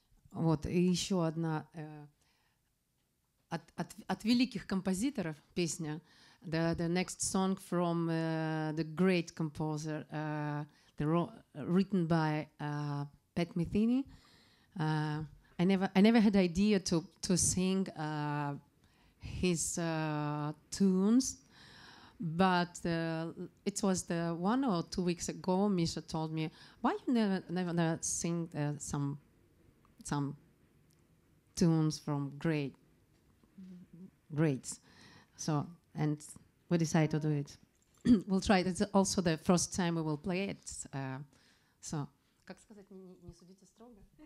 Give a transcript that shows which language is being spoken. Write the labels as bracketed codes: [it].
[ru] Вот, и еще одна от великих композиторов песня. [en] The next song from the great composer written by Pat Metheny. I never had idea to sing his tunes, but it was the 1 or 2 weeks ago. Misha told me, "Why you never sing some tunes from greats?" So, and we decided to do it. We'll try it. It's also the first time we will play it. So. [ru] Как сказать, не судите строго.